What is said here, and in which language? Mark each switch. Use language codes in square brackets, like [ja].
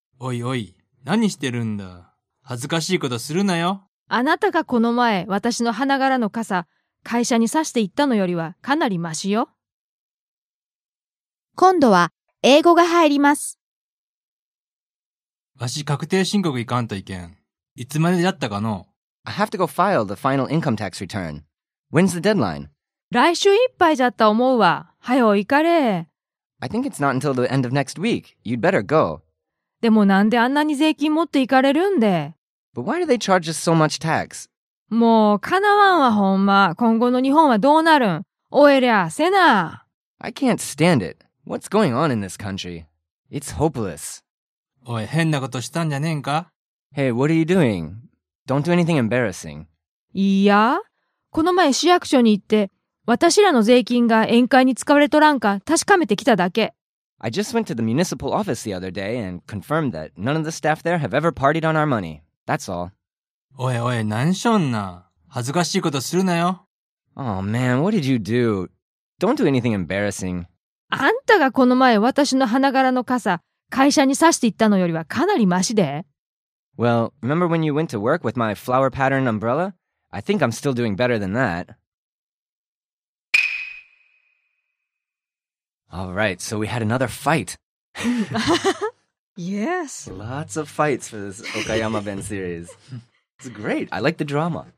[ja] おいおい何してるんだ。恥ずかしいことするなよ。あなたがこの前私の花柄の傘会社に差して行ったのよりはかなりマシよ。今度は英語が入ります。わし確定申告いかんといけん。いつまでだったかの。 [en] I have to go file the final income tax return. When's the deadline? [ja] 来週いっぱいじゃった思うわ。はよ行かれ。 [en] I think it's not until the end of next week. You'd better go. [ja] でもなんであんなに税金持って行かれるんで。 [en] But why do they charge us so much tax? [ja] もうかなわんわほんま。今後の日本はどうなるん。おえりゃせな。 [en] I can't stand it. What's going on in this country? It's hopeless. [ja] おい、変なことしたんじゃねえんか? [en] Hey, what are you doing? Don't do anything embarrassing. [ja] いや、この前市役所に行って、私らの税金が宴会に使われとらんか確かめてきただけ。 [en] I just went to the municipal office the other day and confirmed that none of the staff there have ever partied on our money. That's all. [ja] おいおい、何しょんな。恥ずかしいことするなよ。 [en] Oh man, what did you do? Don't do anything embarrassing. あんたがこの前私の花柄の傘、会社に差していったのよりはかなりマシで。 Well, remember when you went to work with my flower pattern umbrella? I think I'm still doing better than that. Alright, so we had another fight. Yes. Lots of fights for this Okayama Ben series. It's great. I like the drama.